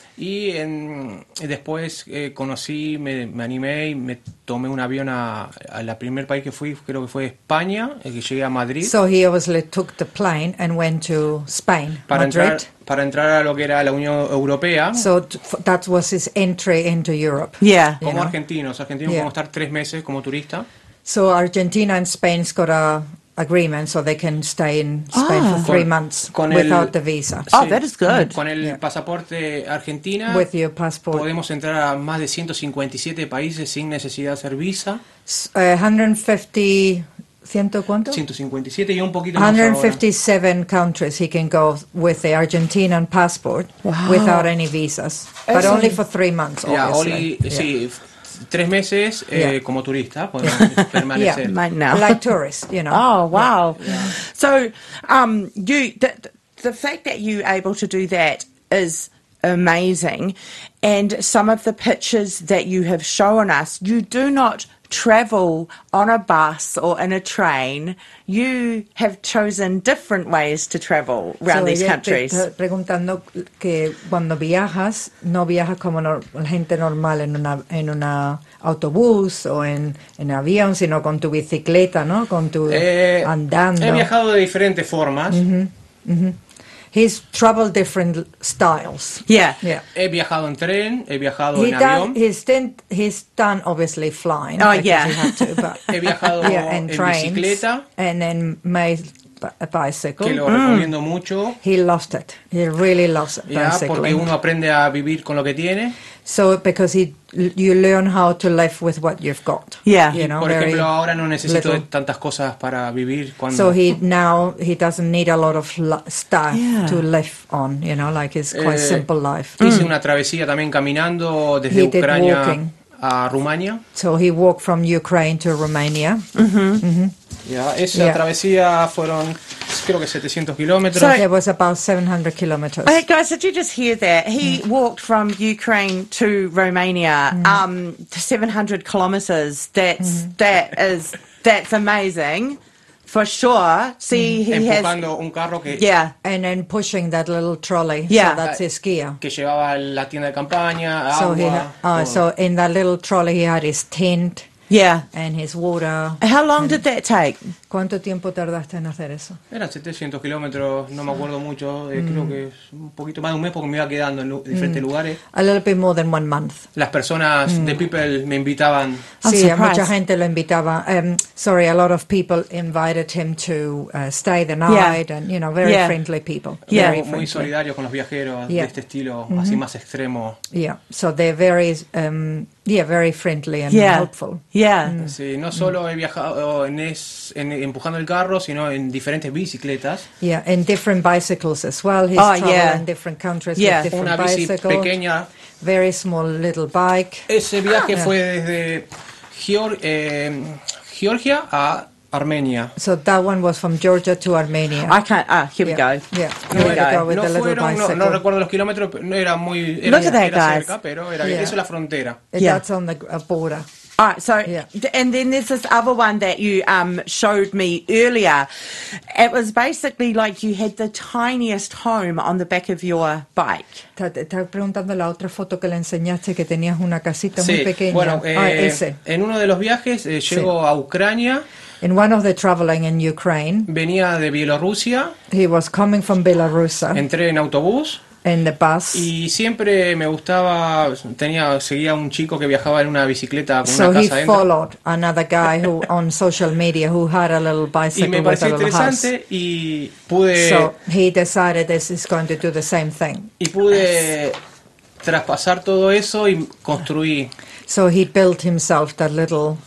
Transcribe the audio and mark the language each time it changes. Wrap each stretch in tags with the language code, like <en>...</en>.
<es>Y después conocí, me animé y me tomé un avión a la primer país que fui, creo que fue España, que llegué a Madrid.</es> <en>So he obviously took the plane and went to Spain,</en> <es>Para entrar a lo que era la Unión Europea.</es> <en>So that was his entry into Europe. Yeah.</en> <es>Argentinos, como estar 3 meses como turista.</es> <en>So Argentina and Spain's got a agreement so they can stay in Spain for 3 months without the visa. Sí. Oh, that is good.</en> <es>Con el pasaporte argentino,</es> <en>with your passport,</en> <es>podemos entrar a más de 157 países sin necesidad de hacer visa. 157 y un poquito 157 más</es> <en>countries he can go with the Argentinian passport without any visas, but only for 3 months, obviously. Yeah, only,</en> <es>sí, 3 meses como turista, podemos permanecer.</es> <en>Yeah, like tourist, you know. Oh, wow. Yeah. So, the fact that you're able to do that is amazing, and some of the pictures that you have shown us, you do not travel on a bus or in a train. You have chosen different ways to travel around these countries.</en> <es>Preguntando que cuando viajas, no viajas como gente normal en una autobús o en avión, sino con tu bicicleta, ¿no? Con tu andando. He viajado de diferentes formas.</es> <en>He's traveled different styles. Yeah. Yeah.</en> <es>He viajado en tren, he viajado en avión.</es> <en>He's done obviously flying. Oh, yeah.</en> <es>He viajado en trains, bicicleta.</es> <en>And then made a bicycle.</en> <es>Que lo recomiendo mucho.</es> <en>He loved it. He really loves it.</en> <es>Yeah, porque uno aprende a vivir con lo que tiene.</es> <en>So, because you learn how to live with what you've got. Yeah. You know,</en> <es>por ejemplo, ahora no necesito tantas cosas para vivir cuando...</es> <en>So, he doesn't need a lot of stuff to live on, you know, like it's quite simple life.</en> <es>Hice una travesía también caminando desde Ucrania a Rumania.</es> <en>So, he walked from Ukraine to Romania.</en> <es>Esa travesía fueron, creo que 700 kilómetros.</es> <en>So, it was about 700 kilometers. Hey, guys, did you just hear that? He walked from Ukraine to Romania, 700 kilometers. That's, that's amazing, for sure. See, he</en> <es>empujando</es> <en>has...</en> <es>Empujando un carro que...</es> <en>Yeah. And then pushing that little trolley. Yeah. So that's his gear.</en> <es>Que llevaba la tienda de campaña, so agua...</es> <en>So in that little trolley he had his tent... Yeah. And his water. How long did that take?</en> <es>¿Cuánto tiempo tardaste en hacer eso? Era 700 kilómetros, no me acuerdo mucho. Creo que es un poquito más de un mes porque me iba quedando en diferentes lugares.</es> <en>A little bit more than 1 month.</en> <es>Las personas,</es> <en>the people,</en> <es>me invitaban. Sí, mucha gente lo invitaba.</es> <en>A lot of people invited him to stay the night. Yeah. And, you know, very friendly people. Yeah. Very</en> <es>muy solidarios con los viajeros de este estilo, así más extremo.</es> <en>Yeah, so they're very... very friendly and helpful. Yeah.</en> <es>Sí, no solo he viajado en empujando el carro, sino en diferentes bicicletas.</es> <en>Yeah, in different bicycles as well. He's traveled in different countries with different bicycles.</en> <es>Una bici</es> <en>bicycle,</en> <es>pequeña.</es> <en>Very small little bike.</en> <es>Ese viaje fue desde Georgia a Armenia.</es> <en>So that one was from Georgia to Armenia. I can't. Here we go. Yeah.</en> <es>No recuerdo los kilómetros, pero no era muy.</es> <en>Look at that,</en> <es>era</es> <en>guys.</en> <es>Cerca, pero era eso es la frontera.</es> <en>Yeah. That's on the border. All right. So and then there's this other one that you showed me earlier. It was basically like you had the tiniest home on the back of your bike.</en> <es>Estaba preguntando la otra foto que le enseñaste que tenías una casita muy pequeña. Sí. Bueno, ese. En uno de los viajes llego a Ucrania.</es> <en>In one of the traveling in Ukraine.</en> <es>Venía de Bielorrusia.</es> <en>He was coming from Belarus.</en> <es>Entré en autobús.</es> <en>In the bus.</en> <es>Y siempre me gustaba, seguía un chico que viajaba en una bicicleta con</es> <en>adentro. So he followed another guy who on social media who had a little bicycle.</en> <es>Y me pareció interesante y pude.</es> <en>So he decided this is going to do the same thing.</en> <es>Y pude traspasar todo eso y construí.</es> <en>So he built himself that little</en>